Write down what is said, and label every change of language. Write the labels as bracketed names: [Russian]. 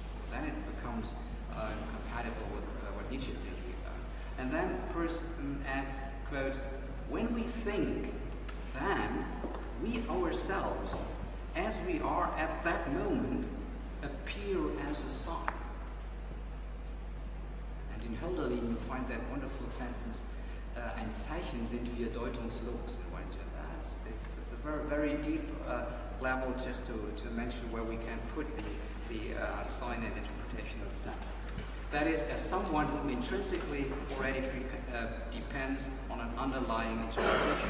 [English] Then it becomes compatible with what Nietzsche is thinking about. And then Peirce adds, quote, when we think, then we ourselves, as we are at that moment, appear as a sign. In Hölderlin, you find that wonderful sentence, [German] ein Zeichen sind wir deutungslos in Wanger. [English] It's the very, very deep level, just to mention where we can put the sign and interpretational stuff. That is, as someone who intrinsically already depends on an underlying interpretation.